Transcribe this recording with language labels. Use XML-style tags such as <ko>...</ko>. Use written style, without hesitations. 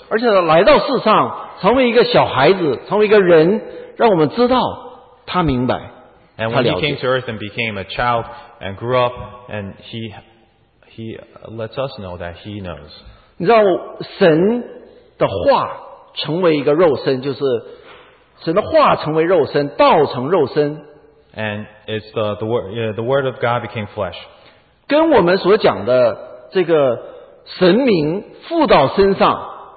<zh>而且来到世上, 成为一个小孩子, 成为一个人, 让我们知道, 他明白,</zh> <en>and when he came to earth and became a child and grew up, and he lets us know that he knows.</en> <zh>你知道神的话成为一个肉身, 就是神的话成为肉身, 道成肉身,</zh> <en>and it's the word of God became flesh.</en> <zh>跟我们所讲的这个神明附到身上,</zh>